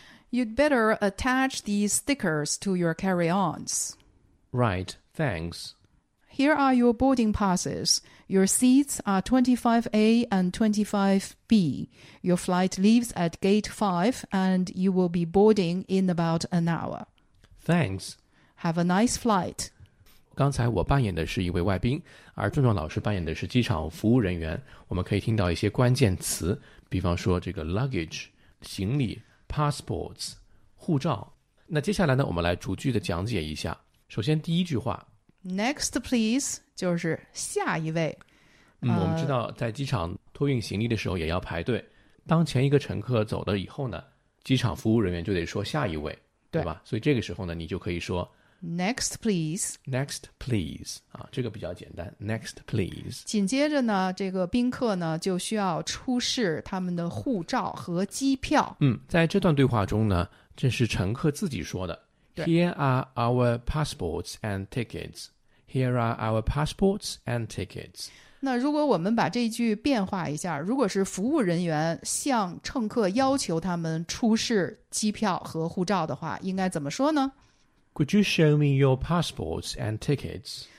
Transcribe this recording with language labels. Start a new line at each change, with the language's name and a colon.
English: You'd better attach these stickers to your carry-ons. Right, thanks. Here are your boarding passes. Your seats are 25A and 25B. Your flight leaves at gate 5 and you will be boarding in about an hour. Thanks. Have a nice flight.
Chinese: 刚才我扮演的是一位外宾，而壮壮老师扮演的是机场服务人员。我们可以听到一些关键词，比方说这个 luggage, 行李 passports, 护照。那接下来呢，我们来逐句的讲解一下。首先第一句话，
English: Next, please,
Chinese: 就是下一位。我们知道在机场托运行李的时候也要排队。当前一个乘客走了以后呢，机场服务人员就得说下一位，对吧？所以这个时候呢，你就可以说
English: Next, please. Next, please.
Chinese: 啊，这个比较简单。
English: Next, please.
Chinese: 紧接着呢，这个宾客呢，就需要出示他们的护照和机票。在这段对话中呢，这是乘客自己说的。
English: Here are our passports and tickets. Here are our passports and tickets.
Chinese: 那如果我们把这句变化一下，如果是服务人员向乘客要求他们出示机票和护照的话，应该怎么说呢？
English: Could you show me your passports and tickets?